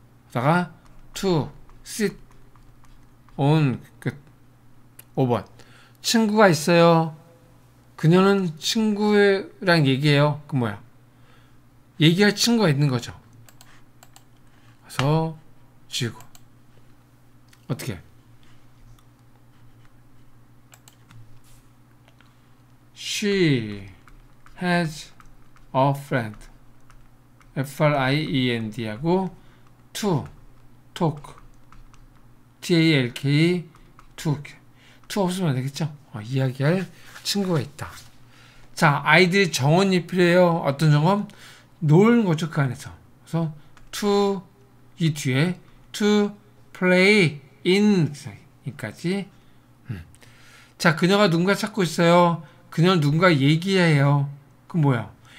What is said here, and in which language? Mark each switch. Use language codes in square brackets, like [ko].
[ko] 그러다가, [en] to sit on, [ko] 끝. 5번. 친구가 있어요. 그녀는 친구랑 얘기해요. 그 뭐야? 얘기할 친구가 있는 거죠. 그래서, 지우고. 어떻게? [en] She has a friend. FRIEND [ko] 하고 [en] to talk TALK talk. [ko] to 없으면 안 되겠죠? 이야기할 친구가 있다. 자, 아이들이 정원이 필요해요. 어떤 정원? 놀는 거죠, 그 안에서. 그래서 to 이 뒤에 [en] to play in [ko] 여기까지. 자, 그녀가 누군가 찾고 있어요. 그녀는 누군가 얘기해요. 그 뭐야?